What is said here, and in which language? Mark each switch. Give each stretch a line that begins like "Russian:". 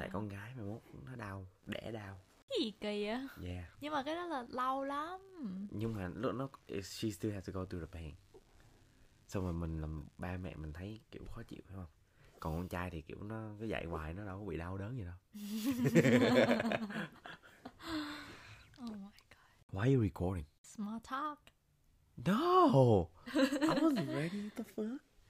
Vietnamese: Tại con gái mà muốn nó đau, đẻ đau. Cái gì kỳ á? Yeah. Nhưng mà cái đó là lâu lắm. Nhưng mà lúc nó,
English: she still has to go through the pain.
Vietnamese: Xong rồi mình làm ba mẹ mình thấy kiểu khó chịu, phải không? Còn con trai thì kiểu nó cứ dạy hoài, nó đâu có bị đau đớn gì đâu.
English: Oh my god. Why are you recording? Small talk. No! I wasn't ready. What the fuck?